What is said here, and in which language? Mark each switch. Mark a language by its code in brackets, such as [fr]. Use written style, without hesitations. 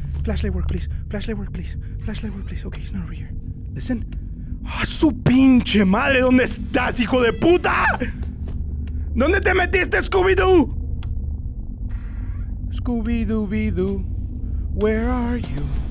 [en] Flashlight work, please. Flashlight work, please. Flashlight work, please. Okay, he's not over here. Listen. [es] ¡Ah, su pinche madre! ¿Dónde estás, hijo de puta? ¿Dónde te metiste, Scooby-Doo? [en] Scooby-Doo-Bee-Doo, where are you?